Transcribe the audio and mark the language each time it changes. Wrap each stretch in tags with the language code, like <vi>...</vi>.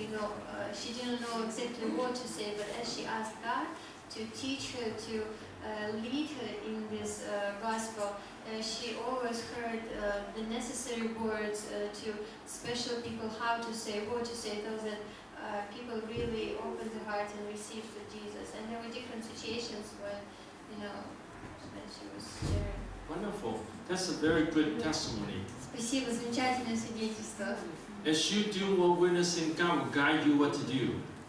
<en>You know, she didn't know exactly what to say, but as she asked God to teach her, to lead her in this gospel, she always heard the necessary words to special people, how to say, what to say, so that people really opened their hearts and received the Jesus. And there were different situations when, you know, when she was sharing. Wonderful. That's a very good testimony.</en> <ru>Спасибо, замечательное свидетельство.</ru> <en>As you do more witnessing, God will guide you what to do.</en>